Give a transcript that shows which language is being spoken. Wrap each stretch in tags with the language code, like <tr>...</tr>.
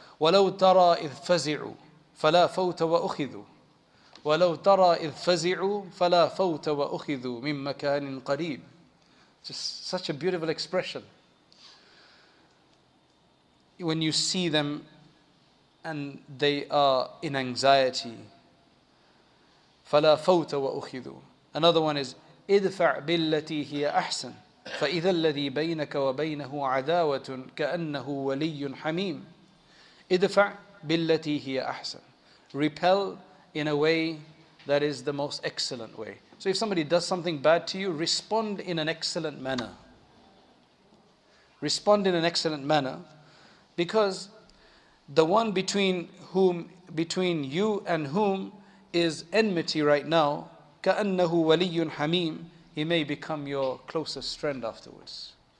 <ar>وَلَوْ تَرَى إِذْ فَزِعُوا فَلَا فَوْتَ وَأُخِذُوا وَلَوْ تَرَى إِذْ فَزِعُوا فَلَا فَوْتَ وَأُخِذُوا مِنْ مَكَانٍ قَرِيبٍ.</ar> <en>Just such a beautiful expression. When you see them and they are in anxiety.</en> <ar>فَلَا فَوْتَ وَأُخِذُوا.</ar> <en>Another one is</en> <ar>اِدْفَعْ بِالَّتِي هِيَ أَحْسَنٍ فَإِذَا الَّذِي بَيْنَكَ وَبَيْنَهُ عَدَاوَةٌ كَأَنَّهُ وَلِيٌّ حَمِيمٌ اِدْفَعْ بِالَّتِي هِيَ أَحْسَنٌ.</ar> <en>Repel in a way that is the most excellent way. So if somebody does something bad to you, respond in an excellent manner. Respond in an excellent manner because the one between you and whom is enmity right now,</en> <ar>كَأَنَّهُ وَلِيٌّ حَمِيمٌ,</ar> <en>he may become your closest friend afterwards.</en>